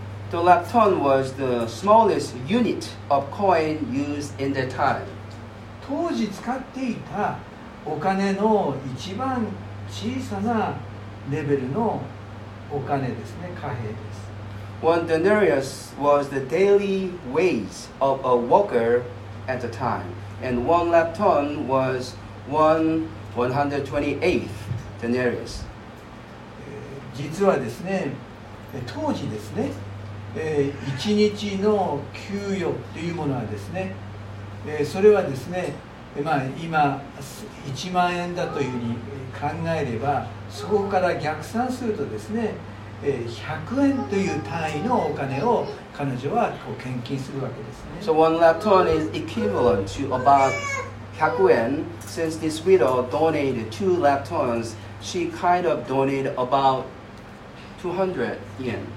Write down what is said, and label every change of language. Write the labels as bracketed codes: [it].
[en] The lepton was the smallest unit of coin used in the time. [ja] 当時使っていたお金の一番小さなレベルのお金ですね、貨幣です。 [en] One denarius was the daily wage of a worker at the time, and one lepton was one 128th denarius. [ja] 実はですね、当時ですね、1日の給与というものはですね、それはですね、まあ、今1万円だというふうに考えれば、そこから逆算するとですね、100円という単位のお金を彼女はこう献金するわけですね。 [en] So one lepton is equivalent to about 100 yen. Since this widow donated 2 leptons, she kind of donated about 200 yen.